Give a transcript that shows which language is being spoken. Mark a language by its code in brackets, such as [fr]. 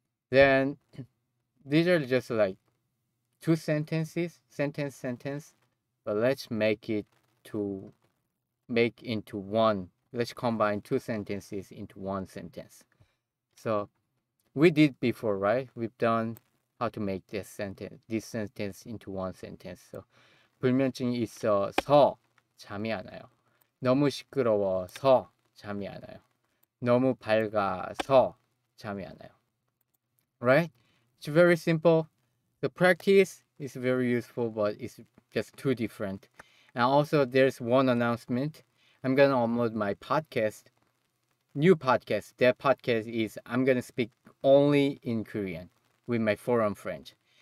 [en] Then, these are just like two sentences, sentence, but let's make into one. Let's combine two sentences into one sentence. So, we did before, right? We've done how to make this sentence into one sentence. [ko] So, 불면증이 있어서 잠이 안 와요. 너무 시끄러워서 잠이 안 와요. 너무 밝아서 잠이 안 와요. [en] Right? It's very simple. The practice is very useful, but it's just too different. And also, there's one announcement. I'm going to upload my podcast, new podcast. That podcast is I'm going to speak only in Korean with my foreign friend.